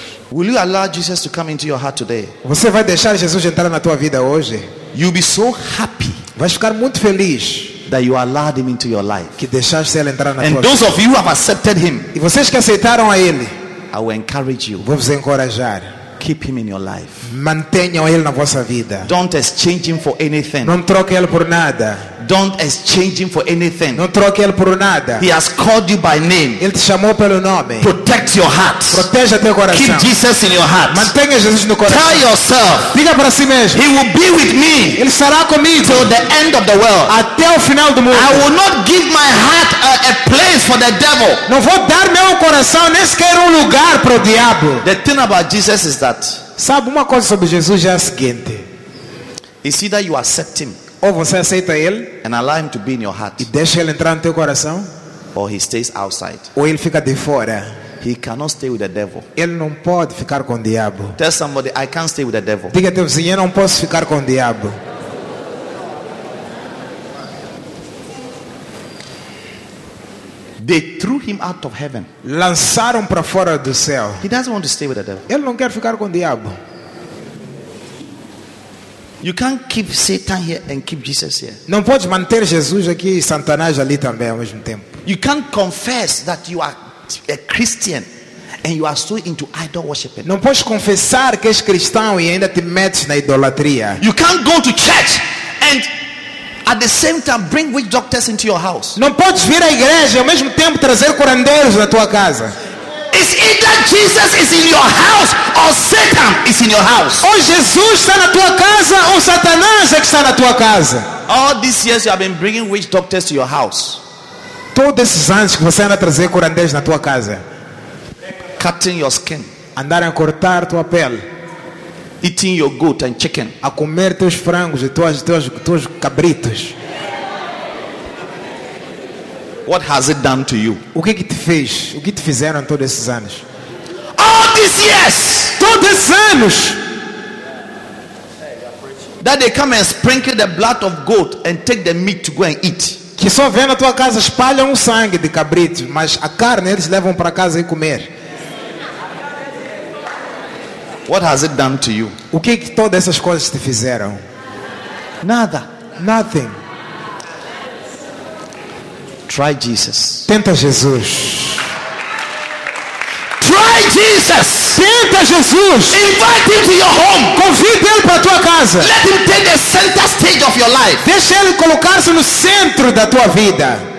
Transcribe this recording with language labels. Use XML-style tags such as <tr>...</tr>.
<en>Will you allow Jesus to come into your heart today?</en> <pt>Você vai deixar Jesus entrar na tua vida hoje?</pt> <en>You'll be so happy.</en> <pt>Vai ficar muito feliz.</pt> <en>That you allowed him into your life.</en> <pt>Que deixaste ele entrar na</pt> <en>and</en> <pt>tua</pt> <en>those</en> <pt>vida.</pt> <en>And those of you who have accepted him.</en> <pt>E vocês que aceitaram a ele.</pt> <en>I will encourage you.</en> <pt>Vou vos encorajar.</pt> <en>Keep him in your life.</en> <pt>Mantenham ele na vossa vida.</pt> <en>Don't exchange him for anything.</en> <pt>Não troque ele por nada.</pt> <en>Don't exchange him for anything.</en> <pt>Não troque ele por nada.</pt> <en>He has called you by name.</en> <pt>Ele te chamou pelo nome.</pt> <en>Protect your heart.</en> <pt>Proteja teu coração.</pt> <en>Keep Jesus in your heart.</en> <pt>Mantenha Jesus no coração.</pt> <en>Tell yourself.</en> <pt>Diga para si mesmo.</pt> <en>He will be with me.</en> <pt>Ele estará comigo.</pt> <en>Till the end of the world.</en> <pt>Até o final do mundo.</pt> <en>I will not give my heart a place for the devil.</en> <pt>Não vou dar meu coração nem sequer lugar para o diabo.</pt> <en>The thing about Jesus is that.</en> <pt>Sabe uma coisa sobre Jesus é a seguinte.</pt> <en>It's either you accept him.</en> <pt>Ou você aceita ele?</pt> <en>And allow him to be in your heart.</en> <pt>E deixa ele entrar no teu coração?</pt> <en>Or he stays outside.</en> <pt>Ou ele fica de fora?</pt> <en>He cannot stay with the devil.</en> <pt>Ele não pode ficar com o diabo.</pt> <en>Tell somebody, I can't stay with the devil.</en> <pt>Diga teu vizinho, eu não posso ficar com o diabo.</pt> <en>They threw him out of heaven.</en> <pt>Lançaram para fora do céu.</pt> <en>He doesn't want to stay with the devil.</en> <pt>Ele não quer ficar com o diabo.</pt> <en>You can't keep Satan here and keep Jesus here.</en> <pt>Não pode manter Jesus aqui e Satanás ali também ao mesmo tempo.</pt> <en>You can't confess that you are a Christian and you are so into idol worship.</en> <pt>Não podes confessar que és cristão e ainda te metes na idolatria.</pt> <en>You can't go to church and at the same time bring witch doctors into your house.</en> <pt>Não podes vir à igreja e ao mesmo tempo trazer curandeiros na tua casa.</pt> <en>It's either Jesus is in your house or Satan is in your house.</en> <pt>Ou Jesus está na tua casa ou Satanás é que está na tua casa.</pt> <en>All these years you have been bringing witch doctors to your house.</en> <pt>Todos esses anos que você anda a trazer curandeiros na tua casa.</pt> <en>Cutting your skin.</en> <pt>Andar a cortar tua pele.</pt> <en>Eating your goat and chicken.</en> <pt>A comer teus frangos e teus cabritos.</pt> <en>What has it done to you?</en> <pt>O que que te fez? O que te fizeram todos esses anos?</pt> <en>All these years,</en> <pt>todos esses anos,</pt> <en>that they come and sprinkle the blood of goat and take the meat to go and eat.</en> <pt>Que só vem na tua casa espalham o sangue de cabrito, mas a carne eles levam para casa e comer.</pt> <en>What has it done to you?</en> <pt>O que que todas essas coisas te fizeram? Nada.</pt> <en>Nothing. Try Jesus.</en> <pt>Tenta Jesus.</pt> <en>Try Jesus.</en> <pt>Tenta Jesus.</pt> <en>Invite him to your home.</en> <pt>Convide ele para tua casa.</pt> <en>Let him take the center stage of your life.</en> <pt>Deixa ele colocar-se no centro da tua vida.</pt>